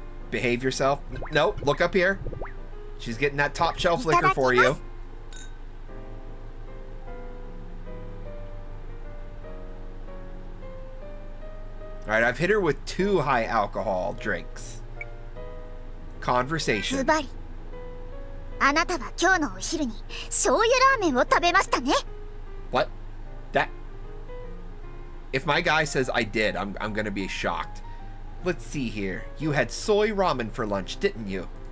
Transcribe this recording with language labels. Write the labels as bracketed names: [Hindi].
[English] Behave yourself. Nope, look up here. She's getting that top shelf liquor for you. All right, I've hit her with 2 high alcohol drinks. Conversation. [Japanese] ズバリ。あなたは今日のお昼に醤油ラーメンを食べましたね? [English] What? That... If my guy says I did, I'm gonna be shocked. Let's see here. You had soy ramen for lunch, didn't you?